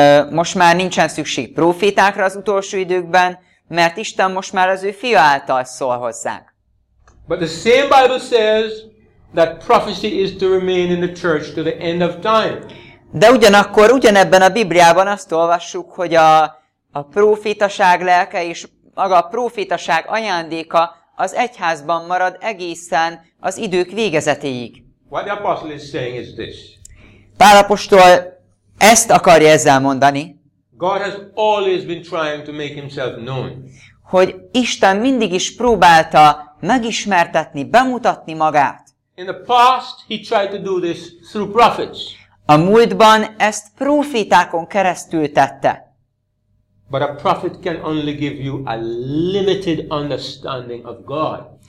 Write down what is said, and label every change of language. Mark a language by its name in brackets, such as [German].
[Hungarian] Most már nincsen szükség prófétákra az utolsó időkben, mert Isten most már az ő fia által szól hozzánk. [English] But the same Bible says that prophecy is to remain in the church to the end of time. [Hungarian] De ugyanakkor ugyanebben a Bibliában azt olvassuk, hogy a prófétaság lelke és maga a prófétaság ajándéka az egyházban marad egészen az idők végezetéig. [English] What the apostle is saying is this. [Hungarian] Pál apostol ezt akarja ezzel mondani. [English] God has always been trying to make himself known. [Hungarian] Hogy Isten mindig is próbálta megismertetni, bemutatni magát. [English] In the past he tried to do this through prophets. [Hungarian] A múltban ezt prófétákon keresztül tette. [English] But a prophet can only give you a limited understanding of God.